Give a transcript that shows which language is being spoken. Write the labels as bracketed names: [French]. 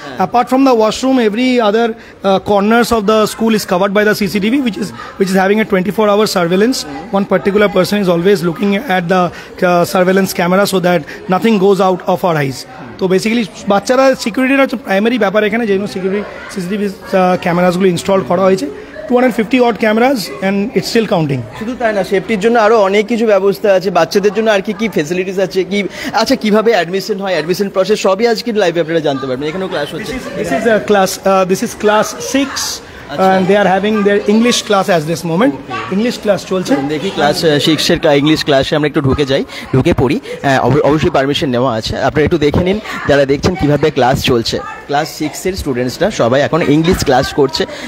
[English] Apart from the washroom, every other corners of the school is covered by the CCTV, which is having a 24-hour surveillance. One particular person is always looking at the surveillance camera, so that nothing goes out of our eyes. [Bangla] তো basically বাচ্চারা সিকিউরিটির হচ্ছে primary ব্যাপার এখানে, যেগুলো security CCTV ক্যামেরাসগুলো install করা হয়েছে। [English] 250 odd cameras and it's still counting. [Bangla] শুধু তাই না, সেফটির জন্য আরো অনেক কিছু ব্যবস্থা আছে, বাচ্চাদের জন্য আর কি কি ফ্যাসিলিটিস আছে, কি আচ্ছা কিভাবে অ্যাডমিশন হয়, অ্যাডমিশন প্রসেস সবই আজকে লাইভে আপনারা জানতে পারবেন। এখানে ক্লাস হচ্ছে, [English] this is class 6 and they are having their english class as this moment. [Bangla] English class চলছে, দেখি ক্লাস শিক্ষকের ইংলিশ ক্লাসে আমরা একটু ঢুকে যাই, ঢুকে পড়ি, অবশ্যই পারমিশন নেওয়া আছে। আপনারা একটু দেখে নিন যারা দেখছেন কিভাবে ক্লাস চলছে, ক্লাস 6 এর স্টুডেন্টসরা সবাই এখন ইংলিশ ক্লাস করছে।